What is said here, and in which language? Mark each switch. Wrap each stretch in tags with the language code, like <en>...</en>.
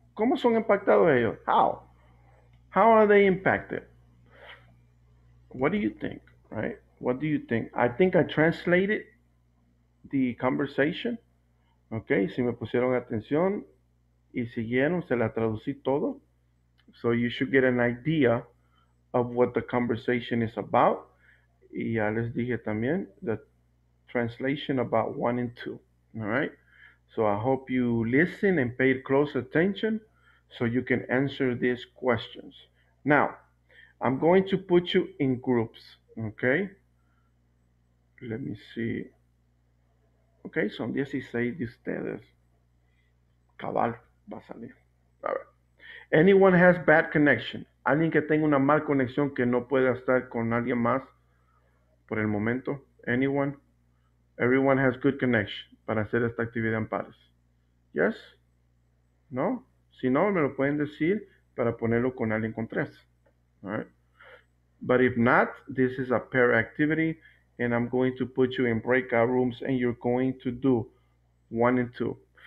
<es>¿Cómo son impactados ellos?</es> <en>How? How are they impacted? What do you think, right? What do you think? I think I translated the conversation.</en> <es>Okay, si me pusieron atención y siguieron, se la traducí todo.</es> <en>So you should get an idea of what the conversation is about.</en> <es>Y ya les dije también</es> <en>the translation about one and two. All right? So I hope you listen and pay close attention so you can answer these questions. Now, I'm going to put you in groups, okay? Let me see. Okay,</en> <es>son 16 de ustedes. Cabal va a salir.</es> <en>All right. Anyone has bad connection?</en> <es>alguien que tenga una mal conexión que no pueda estar con alguien más por el momento.</es> <en>Anyone? Everyone has good connection</en> <es>para hacer esta actividad en pares.</es> <en>Yes? No?</en> <es>Si no, me lo pueden decir para ponerlo con alguien con tres.</es> <en>All right? But if not, this is a pair activity and I'm going to put you in breakout rooms and you're going to do one and two.</en>